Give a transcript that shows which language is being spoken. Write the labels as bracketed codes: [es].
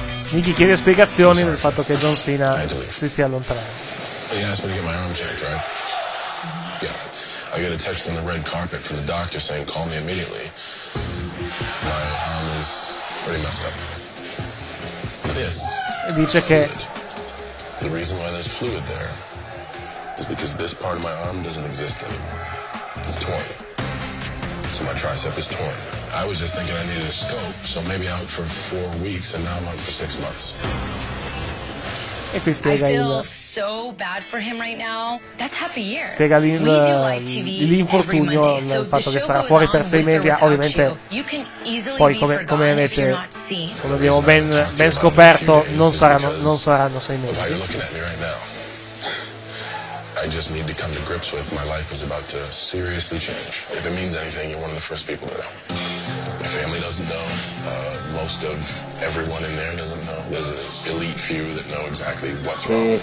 [it] Nicky chiede spiegazioni del fatto che John Cena si sia allontanato. [en] You asked me to get my arm checked, right? Mm-hmm. Yeah. I got a text on the red carpet from the doctor saying call me immediately. My arm is pretty messed up. This. [it] Dice che [en] the reason why there's fluid there is because this part of my arm doesn't exist anymore. It's torn. So my tricep is torn. I was just thinking I needed a scope, so maybe out for 4 weeks, and now I'm out for 6 months. [it] E qui spiega [en] I feel so bad for him right now. That's half a year. [it] Spiega l'infortunio, il fatto che sarà fuori per 6 mesi, ovviamente. Poi come avete, come abbiamo ben scoperto, non saranno 6 mesi. [en] Why are you looking at me right now? I just need to come to grips with my life is about to seriously change. If it means anything, you're one of the first people to know. My family doesn't know. Most of everyone in there doesn't know. There's an elite few that know exactly what's wrong.